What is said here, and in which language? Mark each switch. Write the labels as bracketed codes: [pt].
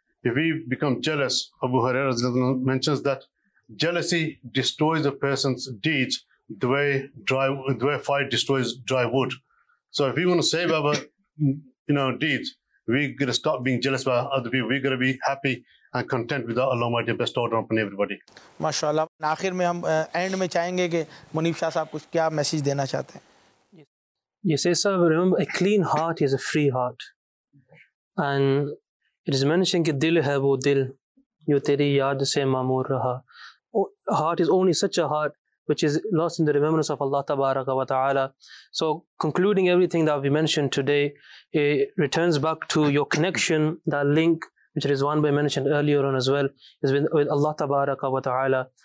[en] If we become jealous, Abu Huraira mentions that jealousy destroys a person's deeds the way fire destroys dry wood. So if we want to save our deeds, we're going to stop being jealous about other people. We're going to be happy and content with Allah Almighty bestowed upon everybody. MashaAllah. [ur] آخر میں ہم and میں چاہیں گے کہ منیب شاہ صاحب کچھ کیا میسج دینا چاہتے ہیں. [en] Yes, sir. Remember, a clean heart is a free heart. And it is mentioned [ur] کہ دل ہے وہ دل جو تیری یاد سے معمور رہا. [en] Heart is only such a heart which is lost in the remembrance of Allah tabaraka wa ta'ala. So concluding everything that we mentioned today, it returns back to your connection, that link which Rizwan bhai mentioned earlier on as well, is with Allah tabaraka wa ta'ala.